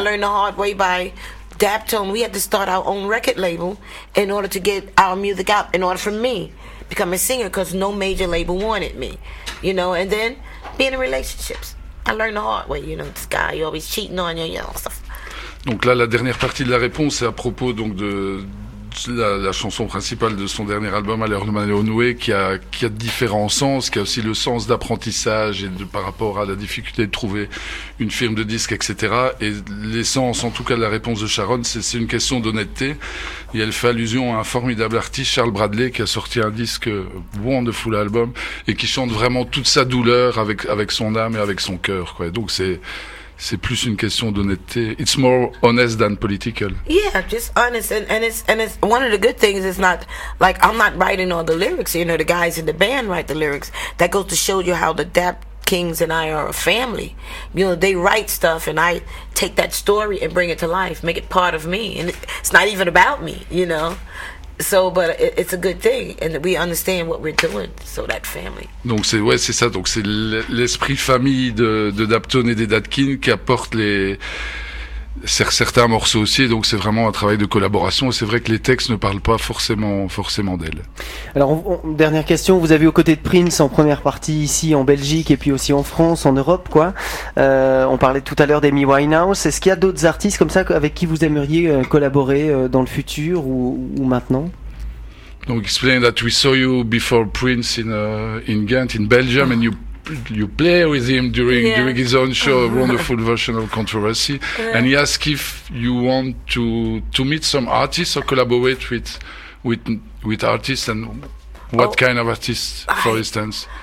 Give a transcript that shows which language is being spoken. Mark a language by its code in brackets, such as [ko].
[en] learned the hard way by Daptone. We had to start our own record label in order to get our music out, in order for me to become a singer, because no major label wanted me, you know, and then being in relationships. I learned the hard way, you know, this guy, you're always cheating on you, you know, stuff. [fr] Donc là, la dernière partie de la réponse est à propos donc de la chanson principale de son dernier album, Aller de Manuel Noué, qui a différents sens, qui a aussi le sens d'apprentissage et de, par rapport à la difficulté de trouver une firme de disque, etc. Et l'essence, en tout cas, de la réponse de Sharon, c'est une question d'honnêteté. Et elle fait allusion à un formidable artiste, Charles Bradley, qui a sorti un disque, [en] wonderful album, [fr] et qui chante vraiment toute sa douleur avec son âme et avec son cœur, quoi. Donc c'est plus une question d'honnêteté. [en] It's more honest than political. Yeah, just honest. And it's one of the good things is not, like, I'm not writing all the lyrics. You know, the guys in the band write the lyrics. That goes to show you how the Dap Kings and I are a family. You know, they write stuff, and I take that story and bring it to life, make it part of me. And it's not even about me, you know. So, but it's a good thing, and we understand what we're doing. So that family. [fr] Donc c'est ça. Donc c'est l'esprit famille de Daptone et des Dadkin qui apporte certains morceaux aussi. Donc c'est vraiment un travail de collaboration. Et c'est vrai que les textes ne parlent pas forcément d'elle. Alors dernière question. Vous avez aux côtés de Prince en première partie ici en Belgique et puis aussi en France, en Europe, quoi. On parlait tout à l'heure d'Amy Winehouse. Est-ce qu'il y a d'autres artistes comme ça avec qui vous aimeriez collaborer dans le futur ou maintenant? Donc [en] explain that we saw you before Prince in Ghent in Belgium, and you play with him during his own show, a wonderful version of Controversy, and he asked if you want to meet some artists or collaborate with artists, and what kind of artists, for instance?